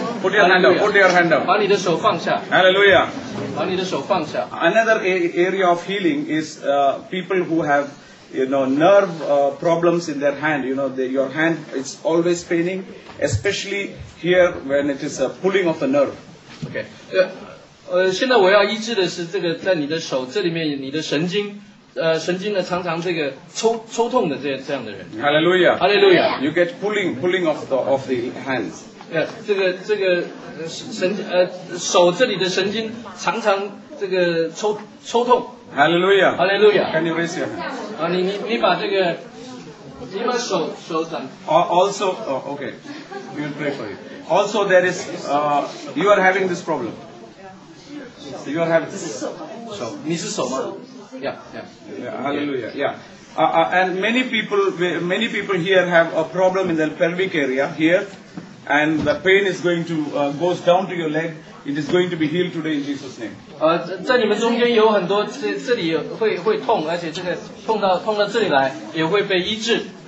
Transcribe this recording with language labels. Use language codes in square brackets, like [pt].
[en] Put your hand up. Put your hand up. [zh] 把你的手放下。 [en] Hallelujah. [zh] 把你的手放下。 [en] Another area of healing is people who have, you know, nerve problems in their hand. You know, your hand is always paining, especially here when it is a pulling of the nerve. [zh] Okay. 现在我要医治的是这个，在你的手这里面，你的神经神经呢常常这个抽痛的这样的人。 [en] Hallelujah. Hallelujah. You get pulling of the hands. [zh] Yeah, 这个神手这里的神经常常这个抽痛。 [en] Hallelujah. Hallelujah. Can you raise your hand? [zh] 你把这个你把手掌。 [en] Also, okay. We will pray for you. Also, there is you are having this problem. You are having this. [zh] 手，你是手吗？ [en] Yeah, hallelujah. And many people here have a problem in the pelvic area here, and the pain is going to goes down to your leg. It is going to be healed today in Jesus' name. [zh] 在你们中间有很多这里会痛，而且这个痛到这里来也会被医治。